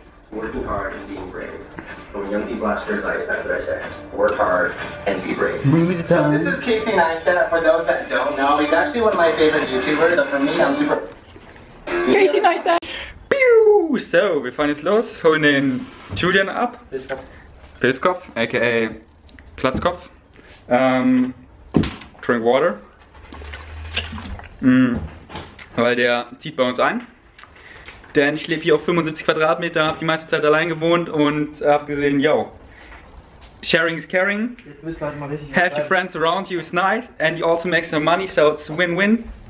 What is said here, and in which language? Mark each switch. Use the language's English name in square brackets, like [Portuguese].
[English] Working hard and being brave. From Young People Ask for Advice, that's what I say. Work hard and be brave. Smooth time. So this is Casey Neistat. For those that don't know, he's actually one of my favorite YouTubers. So for me, I'm super... Casey Neistat! [German] So, wir fahren jetzt los, holen den Julian ab. Pilzkopf. Pilzkopf, aka Klatzkopf. [English] Drink water. [German] Weil der zieht bei uns ein. Denn ich lebe hier auf 75 Quadratmeter, habe die meiste Zeit allein gewohnt und habe gesehen, yo, [English] sharing is caring. [German] Jetzt willst du halt mal richtig. [English] Have your friends around you is nice and you also make some money, so it's win-win.